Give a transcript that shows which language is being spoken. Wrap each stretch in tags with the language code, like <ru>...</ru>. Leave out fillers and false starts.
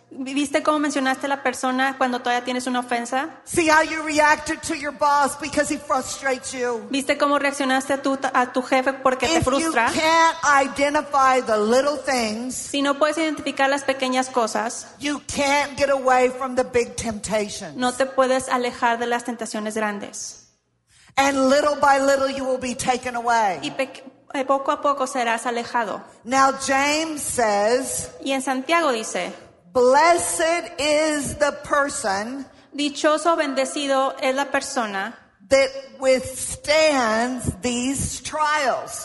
<es>¿Viste cómo mencionaste a la persona cuando todavía tienes una ofensa?</es> <en>See how you reacted to your boss because he frustrates you?</en> <es>¿Viste cómo reaccionaste a tu jefe porque</es> <en>if</en> <es>te frustra?</es> <en>If you can't identify the little things,</en> <es>si no puedes identificar las pequeñas cosas,</es> <en>you can't get away from the big temptations.</en> <es>No te puedes alejar de las tentaciones grandes.</es> <en>And little by little you will be taken away.</en> <es>Y poco a poco serás alejado.</es> <en>Now James says.</en> <es>Y en Santiago dice.</es> <en>Blessed is the person.</en> <es>Dichoso, bendecido es la persona.</es> <en>That withstands these trials.</en>